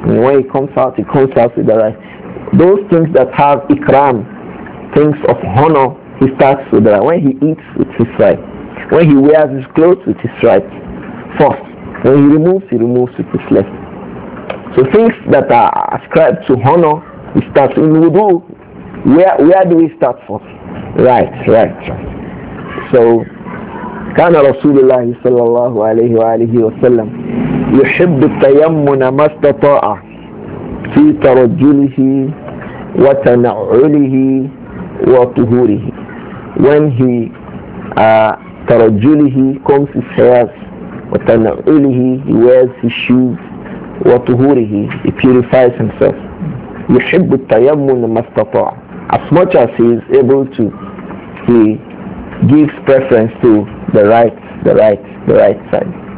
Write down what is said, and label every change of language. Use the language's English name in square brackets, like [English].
[English] And when he comes out with the right. Those things that have ikram, things of honor, he starts with the right. When he eats, with his right. When he wears his clothes, with his right. First, when he removes with his left. So things that are ascribed to honor, it starts in wudu. Where do we start from? Right. So, [Arabic] كان رسول الله صلى الله عليه وآله وسلم يحب التيمم ما استطاع في ترجله وتنعله وطهوره. [English] When he ترجله combs his hairs, وتنعله he wears his shoes. وَطُهُورِهِ, he purifies himself. [Arabic] يُحِبُّ التَّيَمُّنَ مَسْتَطَعَ, [English] as much as he is able to, he gives preference to the right side.